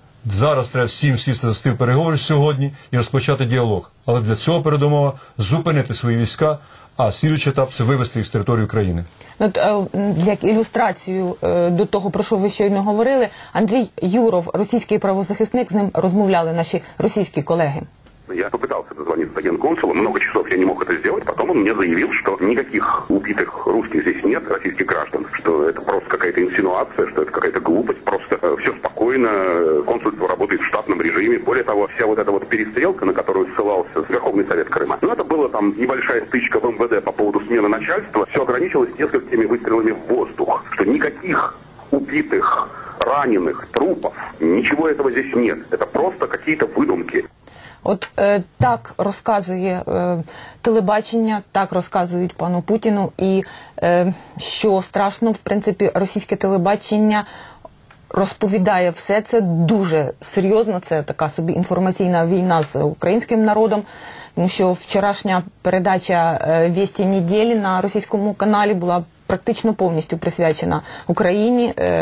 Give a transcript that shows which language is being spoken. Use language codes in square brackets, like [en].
[uk] Зараз треба всім сісти за стіл переговорів сьогодні і розпочати діалог. Але для цього передумова – зупинити свої війська, а слідуючий етап – це вивести їх з території України. Як ілюстрацію до того, про що ви щойно говорили, Андрій Юров, російський правозахисник, з ним розмовляли наші російські колеги. [ru] Я попытался дозвониться с генконсулом, много часов я не мог это сделать, потом он мне заявил, что никаких убитых русских здесь нет, российских граждан, что это просто какая-то инсинуация, что это какая-то глупость, просто все спокойно, консульство работает в штатном режиме. Более того, вся вот эта вот перестрелка, на которую ссылался Верховный Совет Крыма, это была там небольшая стычка в МВД по поводу смены начальства, все ограничилось несколькими выстрелами в воздух, что никаких убитых, раненых, трупов, ничего этого здесь нет, это просто какие-то выдумки. [uk] От так розказує телебачення, так розказують пану Путіну, і що страшно, в принципі, російське телебачення розповідає все це дуже серйозно, це така собі інформаційна війна з українським народом, тому що вчорашня передача «Вісті неділі» на російському каналі була практично повністю присвячена Україні.